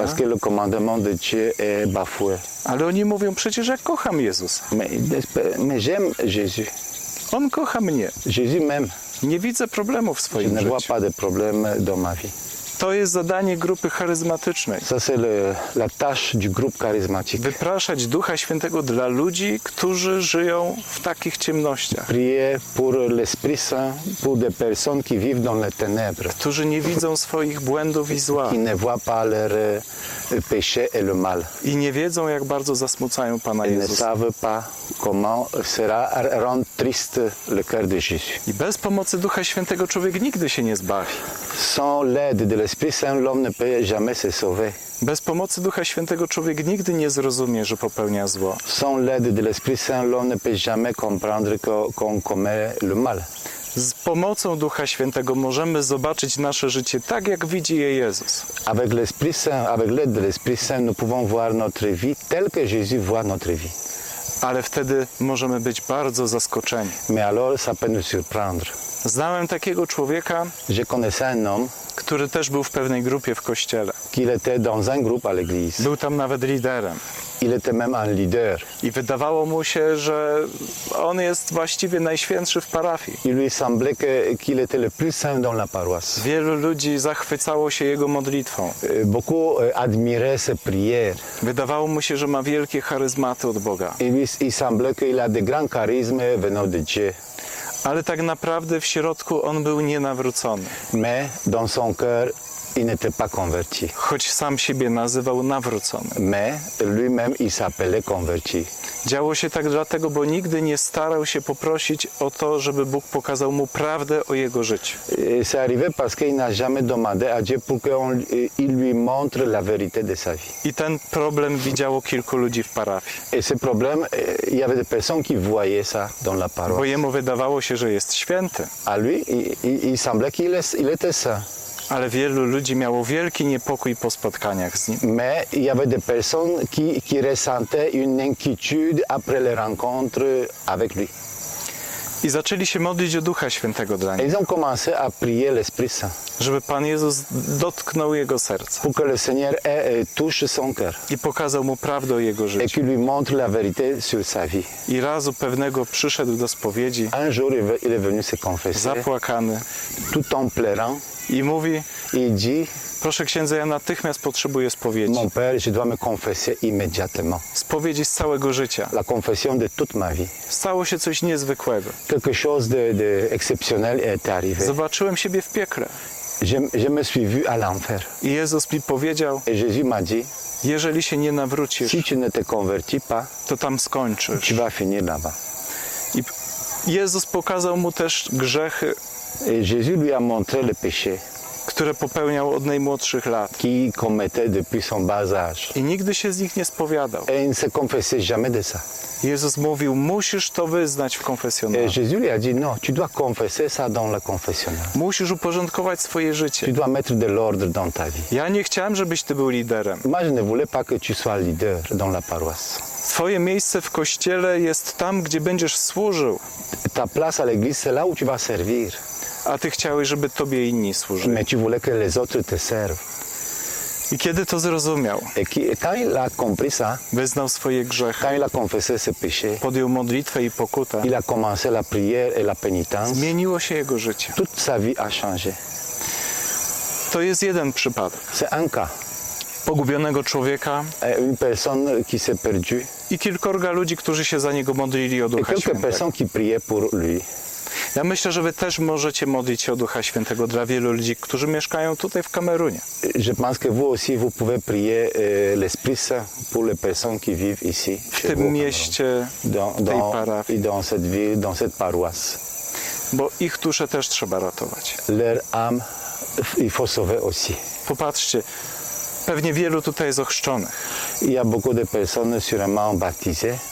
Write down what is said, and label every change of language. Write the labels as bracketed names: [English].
[French] Parce que le commandement de Dieu est bafoué. [Polish] Ale oni mówią: przecież ja kocham Jezusa. [French] Mais j'aime Jésus. [Polish] On kocha mnie. [French] Jésus m'aime. [Polish] Nie widzę problemów w swoim życiu. [French] Je ne vois pas de problème dans ma vie. [Polish] To jest zadanie grupy charyzmatycznej. [French] Ça c'est la tâche du groupe charismatique. [Polish] Wypraszać Ducha Świętego dla ludzi, którzy żyją w takich ciemnościach. [French] Prier pour l'esprit saint pour des personnes qui vivent dans les ténèbres. [Polish] Którzy nie widzą swoich błędów i zła. [French] Qui ne voient pas leur péché et le mal. [Polish] I nie wiedzą, jak bardzo zasmucają Pana Jezusa. [French] Ne savent pas comment sera rendu triste le cœur de Jésus. [Polish] I bez pomocy Ducha Świętego człowiek nigdy się nie zbawi. [French] Sans l'aide de l'Esprit Saint, l'homme ne peut jamais se sauver. [Polish] Bez pomocy Ducha Świętego człowiek nigdy nie zrozumie, że popełnia zło. [French] Sans l'aide de l'Esprit Saint, l'homme ne peut jamais comprendre qu'on commet le mal. [Polish] Z pomocą Ducha Świętego możemy zobaczyć nasze życie tak, jak widzi je Jezus. [French] Avec l'Esprit Saint, avec l'aide de l'Esprit Saint, nous pouvons voir notre vie telle que Jésus voit notre vie. [Polish] Ale wtedy możemy być bardzo zaskoczeni. [French] Mais alors, ça peut nous surprendre. [Polish] Znałem takiego człowieka, [French] je connaissais un homme, [Polish] który też był w pewnej grupie w kościele. [French] Qu'il était dans un groupe à l'église. [Polish] Był tam nawet liderem. [French] Il était même un leader. [Polish] I wydawało mu się, że on jest właściwie najświętszy w parafii. [French] Il lui semblait qu'il était le plus saint dans la paroisse. [Polish] Wielu ludzi zachwycało się jego modlitwą. [French] Beaucoup admiraient ses prières. [Polish] Wydawało mu się, że ma wielkie charyzmaty od Boga. [French] Il semblait qu'il a de grands charismes venant de Dieu. [Polish] Ale tak naprawdę w środku on był nienawrócony. [French] Mais dans son cœur, il n'était pas converti. [Polish] Choć sam siebie nazywał nawróconym. [French] Mais lui-même, il s'appelait converti. [Polish] Działo się tak dlatego, bo nigdy nie starał się poprosić o to, żeby Bóg pokazał mu prawdę o jego życiu. [French] C'est arrivé parce qu'il n'a jamais demandé à Dieu pour qu'il lui montre la vérité de sa vie. [Polish] I ten problem widziało kilku ludzi w parafii. [French] Et ce problème, il y avait des personnes qui voyaient ça dans la paroisse. [Polish] Bo jemu wydawało się, że jest święty. [French] A lui, il semblait qu'il était ça. [Polish] Ale wielu ludzi miało wielki niepokój po spotkaniach z nim. [French] Mais il y avait des personnes qui ressentaient une inquiétude après les rencontres avec lui. [Polish] I zaczęli się modlić o Ducha Świętego dla niego. [French] Ils ont commencé à prier l'Esprit Saint. [Polish] Żeby Pan Jezus dotknął jego serca. [French] Pour que le Seigneur touche son cœur. [Polish] I pokazał mu prawdę o jego życiu. [French] Et qu'il lui montre la vérité sur sa vie. [Polish] I razu pewnego przyszedł do spowiedzi. [French] Un jour, il est venu se confesser. [Polish] Zapłakany. [French] Tout en pleurant. [Polish] I mówi, idzi, proszę księdza, ja natychmiast potrzebuję spowiedzi. [French] Mon père, je dois me confesser immédiatement. [Polish] Spowiedzi z całego życia. [French] La confession de toute ma vie. [Polish] Stało się coś niezwykłego. [French] Quelque chose de exceptionnel est arrivé. [Polish] Zobaczyłem siebie w piekle. [French] Je me suis vu à l'enfer. [Polish] I Jezus mi powiedział, [French] et Jésus m'a dit, [Polish] jeżeli się nie nawrócisz, [French] si tu ne te convertis pas, [Polish] to tam skończysz. [French] Tu vas finir là-bas. [Polish] I Jezus pokazał mu też grzechy. [French] Et Jésus lui a montré le péché, [Polish] które popełniał od najmłodszych lat, [French] qu'il commettait depuis son bas âge. [Polish] I nigdy się z nich nie spowiadał. [French] Et il ne se confessait jamais de ça. [Polish] Jezus mówił, musisz to wyznać w konfesjonale. [French] Et Jésus lui a dit, non, tu dois confesser ça dans le confessionnal. [Polish] Musisz uporządkować swoje życie. [French] Tu dois mettre de l'ordre dans ta vie. [Polish] Ja nie chciałem, żebyś ty był liderem. [French] Moi, je ne voulais pas que tu sois leader dans la paroisse. [Polish] Twoje miejsce w kościele jest tam, gdzie będziesz służył. [French] Ta place à l'église, c'est là où tu vas servir. [Polish] A ty chciałeś, żeby tobie inni służyli. [French] Mais tu voulais que les autres te servent. [Polish] I kiedy to zrozumiał? [French] Quand il a compris ça, [Polish] wyznał swoje grzechy. [French] Quand il a confessé ses péchés, [Polish] podjął modlitwę i pokutę. [French] Il a commencé la prière et la pénitence. [Polish] Zmieniło się jego życie. [French] Toute sa vie a changé. [Polish] To jest jeden przypadek. [French] C'est un cas. [Polish] Pogubionego człowieka. [French] Une personne qui s'est perdue. [Polish] I kilkorga ludzi, którzy się za niego modlili o Ducha Świętego. [French] Quelques personnes qui priaient pour lui. [Polish] Ja myślę, że wy też możecie modlić się o Ducha Świętego dla wielu ludzi, którzy mieszkają tutaj w Kamerunie. [French] Je pense que vous aussi vous pouvez prier l'Esprit Saint pour les personnes qui vivent ici. [Polish] W tym mieście, [French] dans cette ville, dans cette paroisse. [Polish] Bo ich dusze też trzeba ratować. [French] Leur âme, il faut sauver aussi. [Polish] Popatrzcie, pewnie wielu tutaj jest ochrzczonych. [French] Il y a beaucoup de personnes sûrement baptisées.